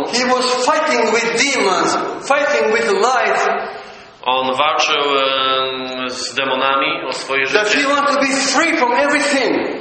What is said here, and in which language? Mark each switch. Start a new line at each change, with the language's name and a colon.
English: he was fighting with demons, fighting with light.
Polish: On walczył z demonami o swoje życie.
English: That he wanted to be free from everything.